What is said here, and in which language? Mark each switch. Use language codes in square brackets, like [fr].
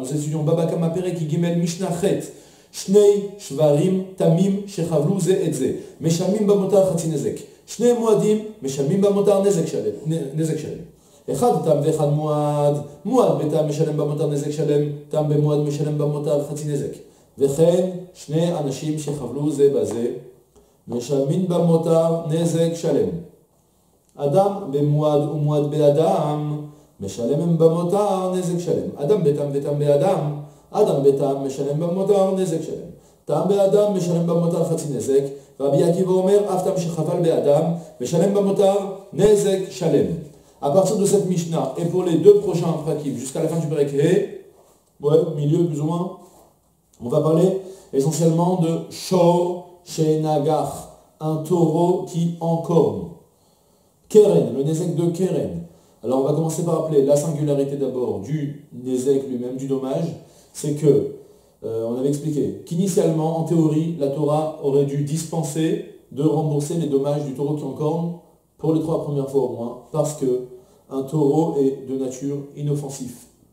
[fr] Nous étudions [he] Baba Kama Perek Gimel Mishnah Chet Shnei Shvarim Tamim Shechavlu Ze Etze Meshamim Bamotar Chatzi Nezek Shnei Muadim Meshamim Bamotar Nezek Shalem אחד תם ואחד מועד, מועד בתם משלם במותר נזק שלם, תם במועד משלם במותר חצי נזק. וכן שני אנשים שחבלו זה בזה, משלמים במותר נזק שלם. אדם במועד ומועד באדם, משלם במותר נזק שלם. אדם בתם ותם באדם, אדם בתם משלם במותר נזק שלם. תם באדם משלם במותר חצי נזק, רבי עקיבא אומר, אף תם שחבל באדם, משלם במותר נזק שלם. [fr] À partir de cette Mishnah, et pour les deux prochains prakim, jusqu'à la fin du Perek He, milieu plus ou moins, on va parler essentiellement de Shor Shenagach, un taureau qui encorne. Keren, le Nezek de Keren. Alors on va commencer par rappeler la singularité d'abord du Nezek lui-même, du dommage, c'est que, on avait expliqué, qu'initialement, en théorie, la Torah aurait dû dispenser de rembourser les dommages du taureau qui encorne, pour les trois premières fois au moins, parce que un taureau est de nature inoffensif.